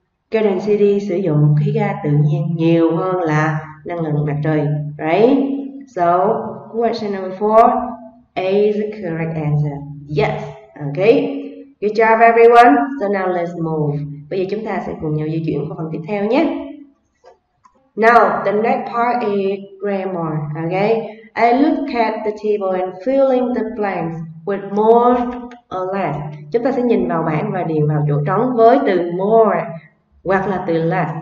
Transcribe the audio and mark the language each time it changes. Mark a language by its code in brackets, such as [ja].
[vi] Garden City sử dụng khí ga tự nhiên nhiều hơn là năng lượng mặt trời. [en] Right? So question number 4 is the correct answer. Yes. Okay. Good job, everyone. So now let's move. [vi] Bây giờ chúng ta sẽ cùng nhau di chuyển qua phần tiếp theo nhé. [en] Now, the next part is grammar. Okay. I look at the table and fill in the blanks with more or less. [vi] Chúng ta sẽ nhìn vào bảng và điền vào chỗ trống với từ more hoặc là từ less.